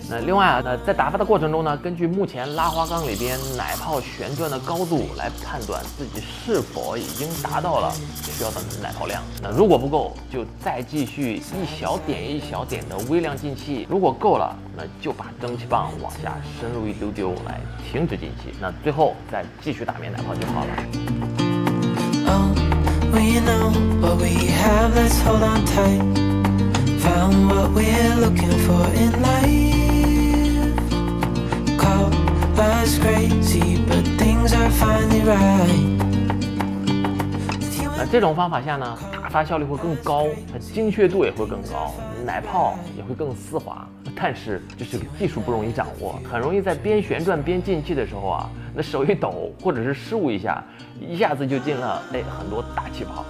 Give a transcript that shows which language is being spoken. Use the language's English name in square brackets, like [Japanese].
[Chinese] 那另外在打发的过程中呢，根据目前拉花缸里边奶泡旋转的高度来判断自己是否已经达到了需要的奶泡量，那如果不够就再继续一小点一小点的微量进气，如果够了，那就把蒸汽棒往下深入一丢丢来停止进气，那最后再继续打棉奶泡就好了。 [English] We know what we have, let's hold on tight. Found what we're looking for in life. Call us crazy, but things are finally right. [Chinese] 那这种方法下呢，打发效率会更高，精确度也会更高，奶泡也会更丝滑。但是就是技术不容易掌握，很容易在边旋转边进气的时候啊，那手一抖或者是失误一下，一下子就进了很多大气泡。